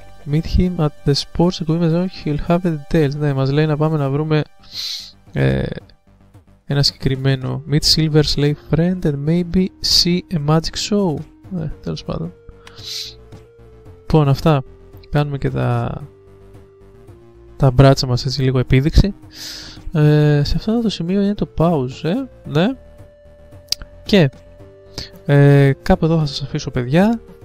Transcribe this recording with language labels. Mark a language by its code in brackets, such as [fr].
[en] Meet him at the sports equipment zone. He'll have the details. [el] Ναι, μας λέει να πάμε να βρούμε ένα συγκεκριμένο. [en] Meet Silver Slave friend and maybe see a magic show. [el] Ναι, τέλος πάντων. Λοιπόν, αυτά. Κάνουμε και τα μπράτσα μας έτσι λίγο επίδειξη. Σε αυτό το σημείο είναι το pause, ναι. Και κάπου εδώ θα σας αφήσω, παιδιά.